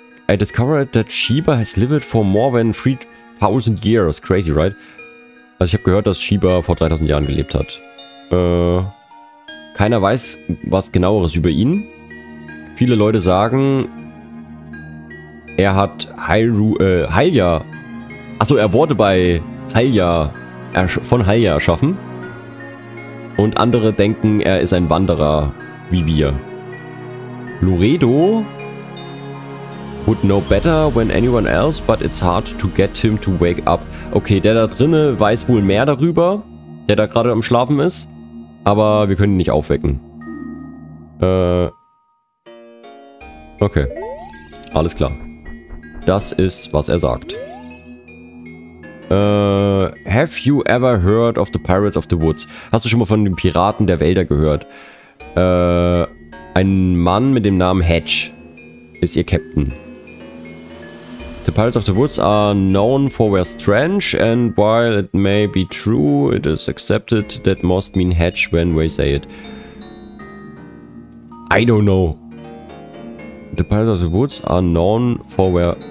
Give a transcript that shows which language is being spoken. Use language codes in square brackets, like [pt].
[en] I discovered that Shiba has lived for more than 3000 years. Crazy, right? [de] Also ich habe gehört, dass Shiba vor 3000 Jahren gelebt hat. Keiner weiß was genaueres über ihn. Viele Leute sagen, er hat Hylia. Achso, er wurde bei Hylia von Hylia erschaffen. Und andere denken, er ist ein Wanderer wie wir. [en] Luredo would know better when anyone else, but it's hard to get him to wake up. [de] Okay, der da drinne weiß wohl mehr darüber, der da gerade am Schlafen ist, aber wir können ihn nicht aufwecken. Okay, alles klar. Das ist, was er sagt. [en] Have you ever heard of the Pirates of the Woods? [de] Hast du schon mal von den Piraten der Wälder gehört? Ein Mann mit dem Namen Hatch ist ihr Captain. [en] The Pirates of the Woods are known for their strange, and while it may be true, it is accepted that most mean Hatch when they say it. I don't know. The Pirates of the Woods are known for their...